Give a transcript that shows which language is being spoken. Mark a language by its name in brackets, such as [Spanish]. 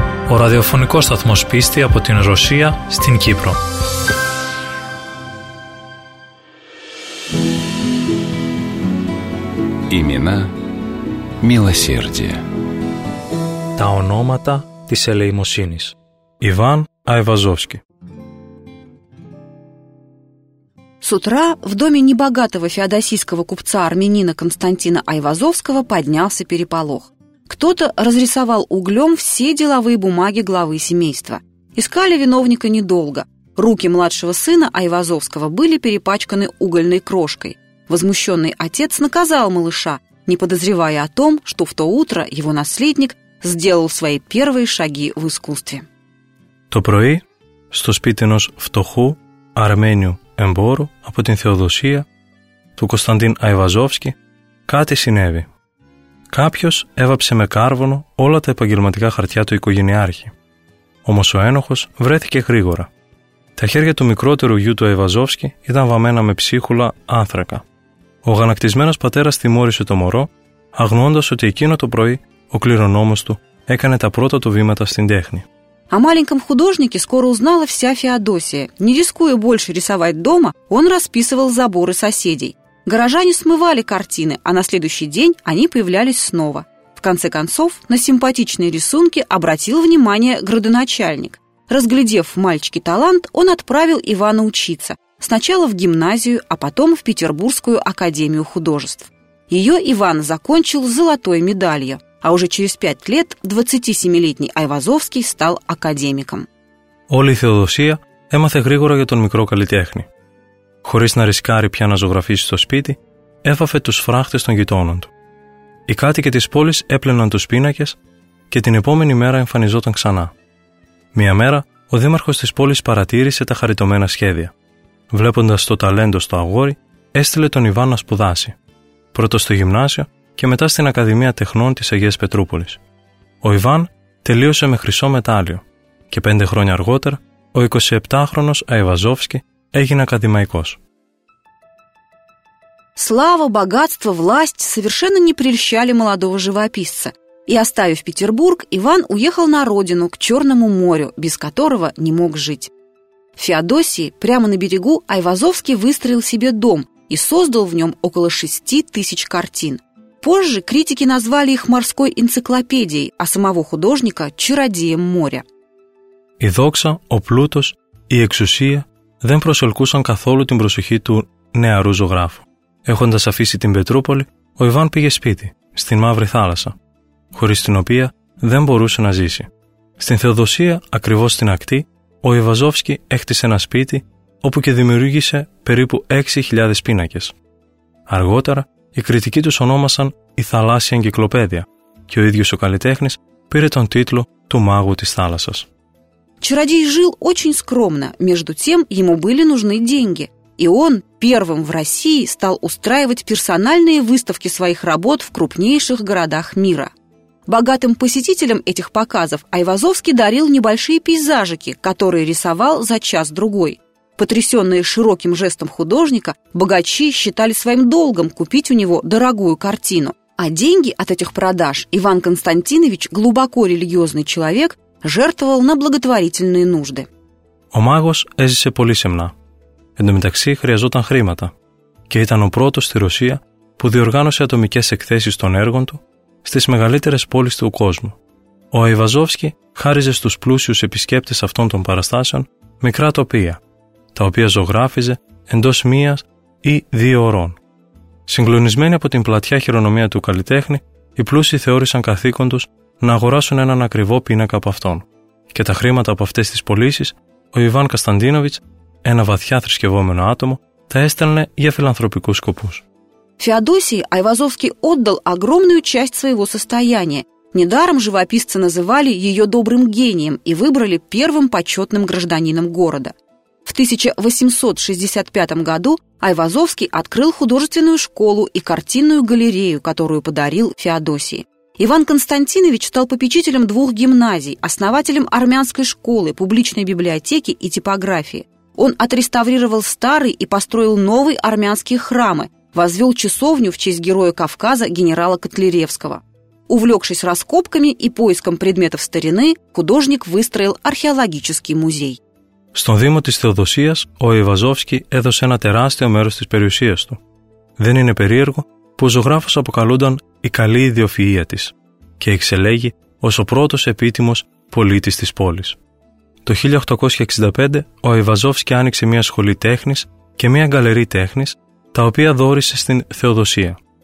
[Greek] Ο ραδιοφωνικός σταθμός πίστη από την Ρωσία στην Κύπρο. [Russian] Имена милосердия. [Greek] Τα ονόματα της ελεημοσύνης. [Russian] Иван Айвазовский. С утра в доме небогатого феодосийского купца-армянина Константина Айвазовского поднялся переполох. Кто-то разрисовал углем все деловые бумаги главы семейства. Искали виновника недолго. Руки младшего сына Айвазовского были перепачканы угольной крошкой. Возмущенный отец наказал малыша, не подозревая о том, что в то утро его наследник сделал свои первые шаги в искусстве. [Greek] То прои, что спите нос втоху, армению, эмбору, а потом Феодосия, ту Константин Айвазовский, кати синеви. Κάποιος έβαψε με κάρβονο όλα τα επαγγελματικά χαρτιά του οικογενειάρχη. Όμως ο ένοχος βρέθηκε γρήγορα. Τα χέρια του μικρότερου γιού του Αϊβαζόφσκι ήταν βαμμένα με ψίχουλα άνθρακα. Ο γανακτισμένος πατέρας τιμώρησε το μωρό, αγνοώντας ότι εκείνο το πρωί ο κληρονόμος του έκανε τα πρώτα του βήματα στην τέχνη. [Russian] О маленьком художнике скоро узнала вся Феодосия. Не рискуя больше рисовать дома, он расписывал заборы соседей. Горожане смывали картины, а на следующий день они появлялись снова. В конце концов, на симпатичные рисунки обратил внимание градоначальник. Разглядев в мальчике талант, он отправил Ивана учиться. Сначала в гимназию, а потом в Петербургскую академию художеств. Ее Иван закончил золотой медалью, а уже через 5 лет 27-летний Айвазовский стал академиком. [Greek] Όλη η Θεοδοσία έμαθε γρήγορα για τον μικρό καλλιτέχνη. Χωρίς να ρισκάρει πια να ζωγραφίσει στο σπίτι, έβαφε τους φράχτες των γειτόνων του. Οι κάτοικοι της πόλης έπλαιναν τους πίνακες και την επόμενη μέρα εμφανιζόταν ξανά. Μία μέρα, ο δήμαρχος της πόλης παρατήρησε τα χαριτωμένα σχέδια. Βλέποντας το ταλέντο στο αγόρι, έστειλε τον Ιβάν να σπουδάσει. Πρώτο στο γυμνάσιο και μετά στην Ακαδημία Τεχνών της Αγίας Πετρούπολης. Ο Ιβάν τελείωσε με χρυσό μετάλλιο και 5 χρόνια αργότερα, ο 27χρονος Αϊβαζόφσκι έγινε ακαδημαϊκός. [Russian] Слава, богатство, власть совершенно не прельщали молодого живописца. И оставив Петербург, Иван уехал на родину, к Черному морю, без которого не мог жить. В Феодосии, прямо на берегу, Айвазовский выстроил себе дом и создал в нем около 6000 картин. Позже критики назвали их морской энциклопедией, а самого художника – чародеем моря. [Greek] И докса, о плутос, и эксусия – δεν προσελκούσαν καθόλου την προσοχή του νεαρού ζωγράφου. Έχοντας αφήσει την Πετρούπολη, ο Ιβάν πήγε σπίτι, στην Μαύρη Θάλασσα, χωρίς την οποία δεν μπορούσε να ζήσει. Στην Θεοδοσία, ακριβώς στην ακτή, ο Ιβαζόφσκι έκτισε ένα σπίτι, όπου και δημιούργησε περίπου 6.000 πίνακες. Αργότερα, οι κριτικοί τους ονόμασαν η Θαλάσσια Εγκυκλοπαίδεια και ο ίδιος ο καλλιτέχνης πήρε τον τίτλο του Μάγου της Θάλασσας. [Russian] Чародей жил очень скромно, между тем ему были нужны деньги. И он первым в России стал устраивать персональные выставки своих работ в крупнейших городах мира. Богатым посетителям этих показов Айвазовский дарил небольшие пейзажики, которые рисовал за час-другой. Потрясенные широким жестом художника, богачи считали своим долгом купить у него дорогую картину. А деньги от этих продаж Иван Константинович, глубоко религиозный человек, жертвовал на благотворительные нужды. [Greek] Ο μάγος έζησε πολύ σεμνά. Εν τω μεταξύ χρειαζόταν χρήματα και ήταν ο πρώτος στη Ρωσία που διοργάνωσε ατομικές εκθέσεις των έργων του στις μεγαλύτερες πόλεις του κόσμου. Ο Αϊβαζόφσκι χάριζε στους πλούσιους επισκέπτες αυτών των παραστάσεων μικρά τοπία, τα οποία ζωγράφιζε εντός μίας ή 2 ωρών. Συγκλονισμένοι από την πλατιά χειρονομία του καλλιτέχνη, οι πλούσιοι θεώρησαν καθήκον τους να αγοράσουν έναν ακριβό πίνακα από αυτόν. Και τα χρήματα από αυτές τις πωλήσεις, ο Ιβάν Κασταντίνοβιτς, ένα βαθιά θρησκευόμενο άτομο, τα έστελνε για φιλανθρωπικούς σκοπούς. [Russian] Феодосии Айвазовский отдал огромную часть своего состояния. Недаром живописцы называли ее добрым гением и выбрали первым почетным гражданином города. В 1865 году Айвазовский открыл художественную школу и картинную галерею, которую подарил Феодосии. Иван Константинович стал попечителем 2 гимназий, основателем армянской школы, публичной библиотеки и типографии. Он отреставрировал старый и построил новый армянские храмы, возвел часовню в честь героя Кавказа генерала Котляревского. Увлекшись раскопками и поиском предметов старины, художник выстроил археологический музей. [Greek] Στον Δήμο της Θεοδοσίας, ο Ιβαζόφσκι έδωσε ένα τεράστιο μέρος της περιουσίας του. Δεν είναι περίεργο που ο ζωγράφος αποκαλούνταν «η καλή ιδιοφυΐα της» και εξελέγει ως ο πρώτος επίτιμος πολίτης της πόλης. Το 1865, ο Ιβαζόφσκι άνοιξε μια σχολή τέχνης και μια γκαλερί τέχνης, τα οποία δόρισε στην Θεοδοσία.